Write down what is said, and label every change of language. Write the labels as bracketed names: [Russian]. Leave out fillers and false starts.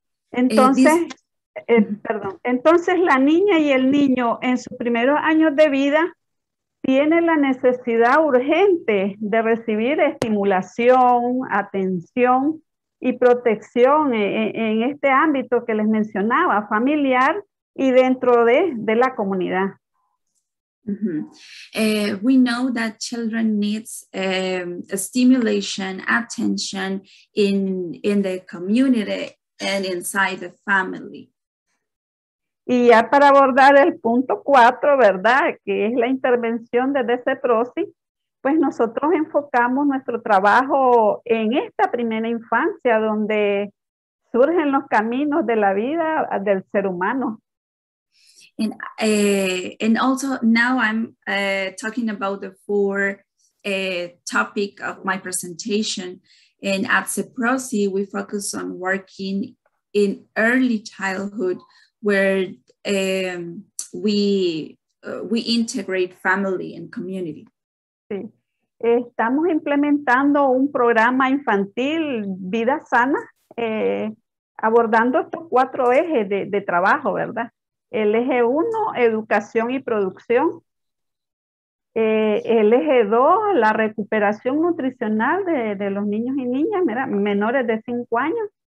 [Spanish] Entonces, entonces la niña y el niño en sus primeros años de vida tienen la necesidad urgente de recibir estimulación, atención y protección en este ámbito que les mencionaba, familiar y dentro de la comunidad. Mm-hmm. [English] We know that children need stimulation, attention in the community and inside the family. [Spanish] Y ya para abordar el punto 4, ¿verdad?, que es la intervención de DCPROSI, pues nosotros enfocamos nuestro trabajo en esta primera infancia donde surgen los caminos de la vida del ser humano. [English] And also now I'm talking about the four topic of my presentation. And at DCPROSI, we focus on working in early childhood where we integrate family and community. [Spanish] Sí. Estamos implementando un programa infantil, Vida Sana, abordando estos cuatro ejes de trabajo, ¿verdad? El eje 1, educación y producción. El eje 2, la recuperación nutricional de los niños y niñas, mira, menores de 5 años.